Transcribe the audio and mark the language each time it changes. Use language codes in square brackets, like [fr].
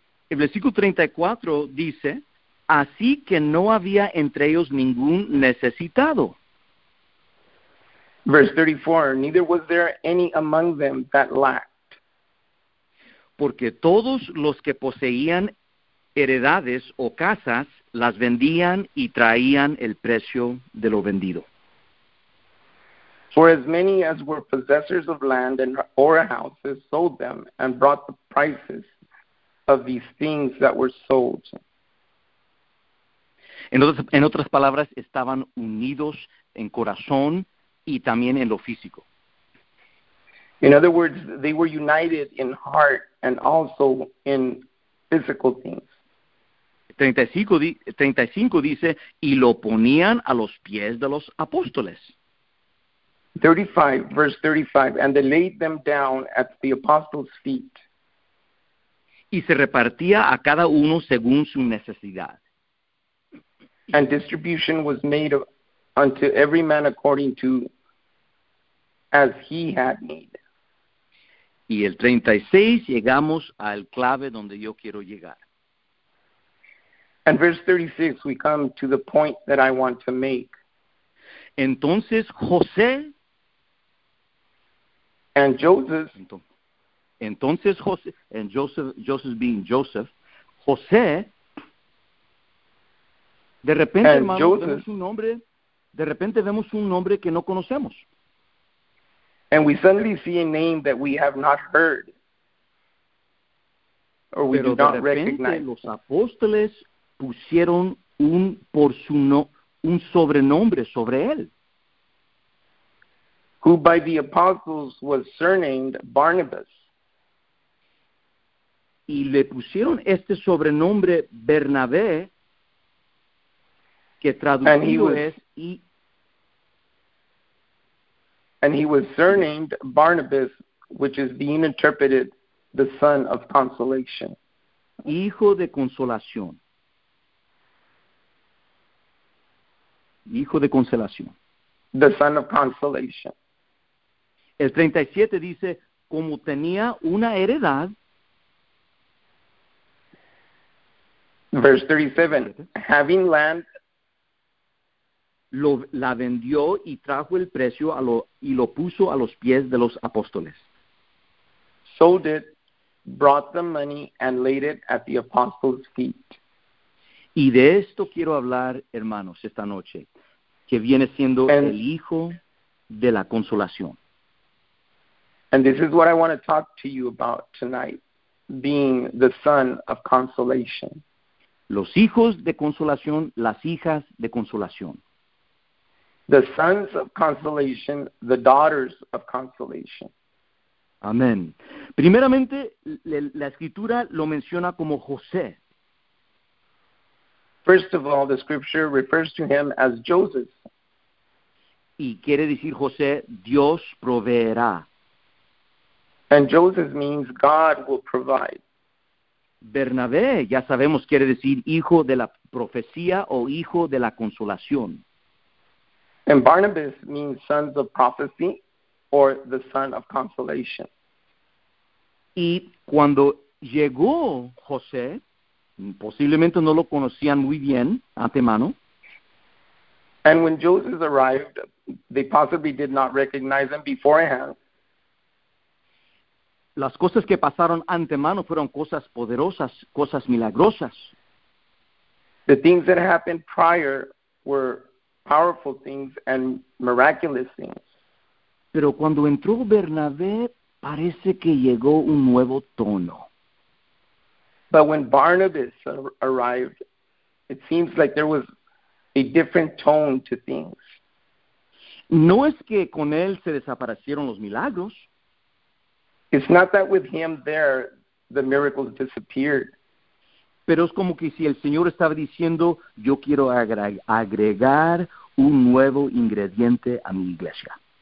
[es] El versículo 34 dice, así que no había entre ellos ningún necesitado. [en] Verse 34, neither was there any among them that lacked. [es] Porque todos los que poseían heredades o casas, las vendían y traían el precio de lo vendido. [en] For as many as were possessors of land and or houses sold them and brought the prices of these things that were sold. [es] En otras palabras, estaban unidos en corazón y también en lo físico. [en] In other words, they were united in heart and also in physical things. [es] 35 dice, y lo ponían a los pies de los apóstoles. [en] 35, verse 35, and they laid them down at the apostles' feet. [es] Y se repartía a cada uno según su necesidad. [en] And distribution was made unto every man according to as he had need. [es] Y el 36 llegamos al clave donde yo quiero llegar. [en] And verse 36, we come to the point that I want to make. [es] Entonces José. [en] And Joseph. [es] Entonces José, [en] and Joseph being Joseph, [es] José, de repente, hermano, Joseph, vemos un nombre, de repente vemos un nombre que no conocemos. [en] And we suddenly see a name that we have not heard, or we [es] pero [en] do not recognize. [es] Pero de repente los apóstoles pusieron un, por su no, un sobrenombre sobre él. [en] Who by the apostles was surnamed Barnabas. [es] Y le pusieron este sobrenombre Bernabé, que traducido [en] and was, [es] es y [en] and he was surnamed Barnabas, which is being interpreted the son of consolation. [es] Hijo de consolación. Hijo de consolación. [en] The son of consolation. [es] El 37 dice, como tenía una heredad. [en] Verse 37, having land, [es] la vendió y trajo el precio a lo, y lo puso a los pies de los apóstoles. [en] Sold it, brought the money, and laid it at the apostles' feet. [es] Y de esto quiero hablar, hermanos, esta noche, que viene siendo and, el hijo de la consolación. [en] And this is what I want to talk to you about tonight, being the son of consolation. [es] Los hijos de consolación, las hijas de consolación. [en] The sons of consolation, the daughters of consolation. [es] Amén. Primeramente, la escritura lo menciona como José. [en] First of all, the scripture refers to him as Joseph. [es] Y quiere decir José, Dios proveerá. [en] And Joseph means God will provide. [es] Bernabé, ya sabemos, quiere decir hijo de la profecía o hijo de la consolación. [en] And Barnabas means sons of prophecy or the son of consolation. [es] Y cuando llegó José, posiblemente no lo conocían muy bien, antemano. [en] And when Joseph arrived, they possibly did not recognize him beforehand. [es] Las cosas que pasaron antemano fueron cosas poderosas, cosas milagrosas. [en] The things that happened prior were powerful things and miraculous things. [es] Pero cuando entró Bernabé, parece que llegó un nuevo tono. [en] But when Barnabas arrived, it seems like there was a different tone to things. [es] No es que con él se desaparecieron los milagros. [en] It's not that with him there, the miracles disappeared. [es] Pero es como que si el Señor estaba diciendo, yo quiero agregar un nuevo ingrediente a mi iglesia.